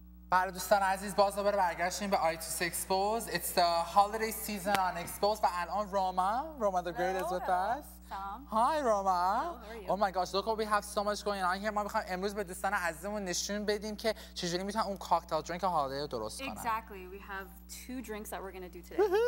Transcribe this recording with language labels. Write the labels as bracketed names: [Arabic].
[Persian] برای دوستان عزیز باز دوباره برگشتیم به آیتوس اکسپوز. [English] It's the holiday season on Xposed. [Persian] و الان روما [English] the great is with us. Hi Roma. Oh my gosh, look what we have so much going on here. [Persian] ما می‌خوام امروز به دوستان عزیزمون نشون بدیم که چجوری می‌تونن اون کاکتل درینک هالیدی رو درست کنن. [English] Exactly. We have two drinks that we're going to do today.